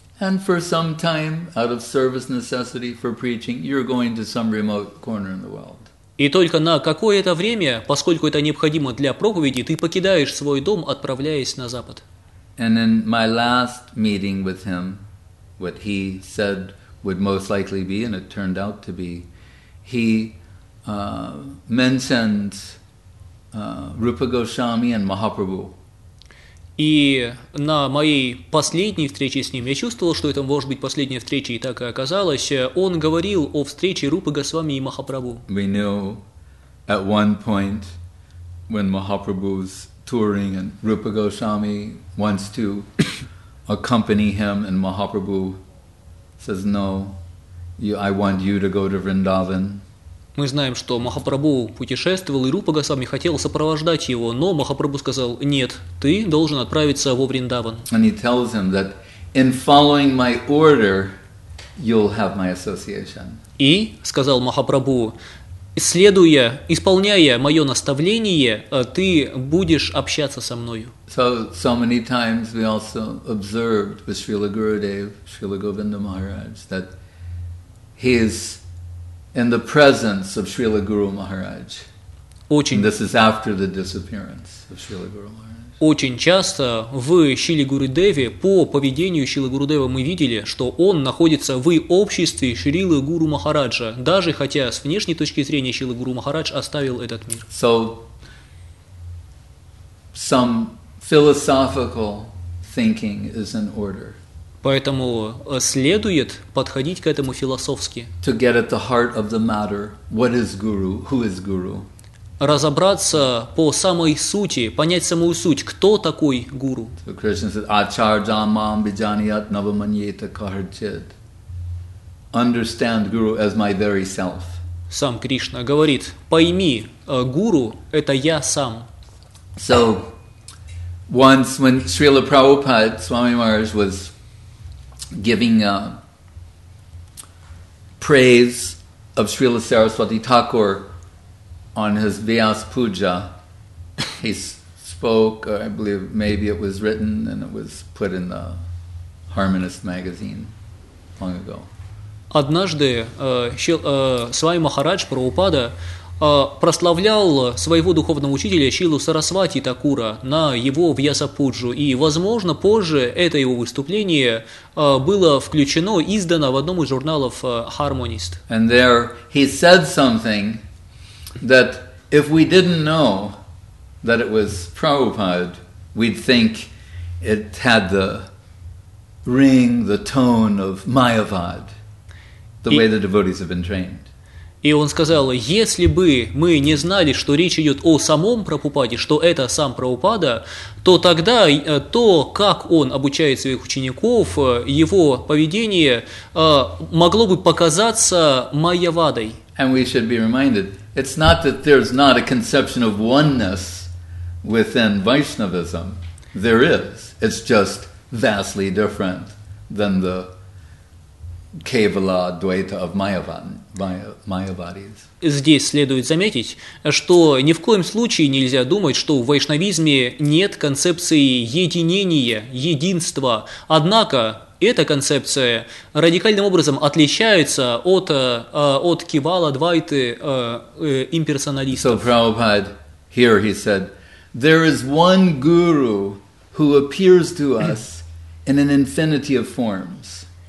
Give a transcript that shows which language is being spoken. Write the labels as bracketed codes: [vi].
[en] And for some time, out of service necessity for preaching, you're going to some remote corner in the world. [ru] И только на какое-то время, поскольку это необходимо для проповеди, ты покидаешь свой дом, отправляясь на запад. [en] And in my last meeting with him, what he said would most likely be, and it turned out to be, he mentioned Rupa Goswami and Mahaprabhu. [ru] И на моей последней встрече с ним, я чувствовал, что это может быть последняя встреча, и так и оказалось, он говорил о встрече Рупы Госвами и Махапрабху. [en] We knew at one point when Mahaprabhu's touring and Rupa Goswami wants to accompany him, and Mahaprabhu says, no, I want you to go to Vrindavan. [ru] Мы знаем, что Махапрабху путешествовал, и Рупа Госвами хотел сопровождать его, но Махапрабху сказал, нет, ты должен отправиться во Вриндаван. [en] And he tells him that in following my order, you'll have my association. [ru] И сказал Махапрабху, следуя, исполняя мое наставление, ты будешь общаться со мною. [en] So many times we also observed with Srila Gurudev, Srila Govinda Maharaj, that he is in the presence of Srila Guru Maharaj. [ru] Очень. [en] This is after the disappearance of Srila Guru Maharaj. [ru] Очень часто в Шриле Гурудеве, по поведению Шрилы Гурудева, мы видели, что он находится в обществе Шрилы Гуру Махараджа, даже хотя с внешней точки зрения Шрилы Гуру Махарадж оставил этот мир. [en] So, some philosophical thinking is in order. [ru] Поэтому следует подходить к этому философски. [en] To get at the heart of the matter, what is Guru, who is Guru? [ru] Разобраться по самой сути, понять самую суть, кто такой гуру. [en] So Krishna said, [sa] Acharjamam bijaniyat navamanyeta kaharchit. [en] Understand guru as my very self. [ru] Сам Кришна говорит, пойми, гуру – это я сам. [en] So, once when Srila Prabhupada, Swami Maharaj, was giving praise of Srila Saraswati Thakur, on his Vyas Puja, he spoke, or I believe maybe it was written and it was put in the Harmonist magazine long ago. [ru] Однажды Свами Махарадж Прабхупада прославлял своего духовного учителя Шрилу Сарасвати Такура на его Вьяса Пуджу, и, возможно, позже это его выступление было включено, издано в одном из журналов Harmonist. [en] And there he said something that if we didn't know that it was Prabhupada, we'd think it had the ring, the tone of Mayavad, the way the devotees have been trained. [ru] И он сказал, если бы мы не знали, что речь идет о самом Прабхупаде, что это сам Прабхупада, то тогда то, как он обучает своих учеников, его поведение могло бы показаться Майявадой. [en] And we should be reminded, it's not that there's not a conception of oneness within Vaishnavism. There is. It's just vastly different than the Kevala Dvaita of Mayavadis. [ru] Здесь следует заметить, что ни в коем случае нельзя думать, что в вайшнавизме нет концепции единения, единства. Однако эта концепция радикальным образом отличается от кивала-двайты имперсоналистов. [en] So Prabhupada, here he said, there is one guru who appears to us in an infinity of forms.